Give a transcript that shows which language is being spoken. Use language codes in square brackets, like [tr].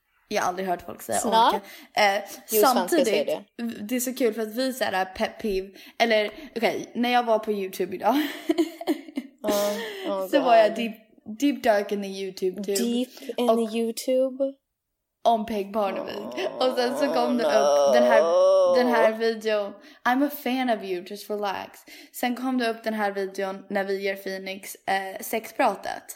[sv] Jag har aldrig hört folk säga aka. Samtidigt, det är så kul för att vi säger [en] pet peeve. [sv] Eller, okej, när jag var på YouTube idag. [en] Oh, [sv] så var jag [en] deep dark in the YouTube. Deep in the YouTube? [sv] Om Peg Barnevik. Och sen så kom det upp den här videon. [en] I'm a fan of you, just relax. [sv] Sen kom det upp den här videon när vi ger Phoenix sexpratet.